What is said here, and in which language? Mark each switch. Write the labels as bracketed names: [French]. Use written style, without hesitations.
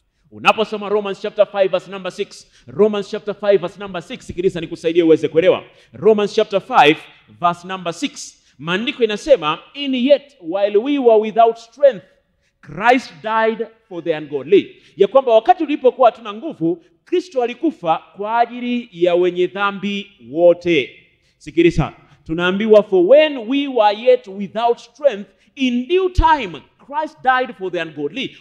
[Swahili] Unaposoma [English] Romans chapter 5 verse number 6, Romans chapter 5 verse number 6, [Swahili] sikiliza nikusaidie uweze kuelewa. [English] Romans chapter 5 verse number 6. [Swahili] Maandiko inasema, [English] "In yet while we were without strength, Christ died for the ungodly." [Swahili] Ya kwamba wakati ulipokuwa tuna nguvu, Kristo alikufa kwa ajili ya wenye dhambi wote. Sikiliza, tunaambiwa [English] for when we were yet without strength, in due time Christ died for the ungodly.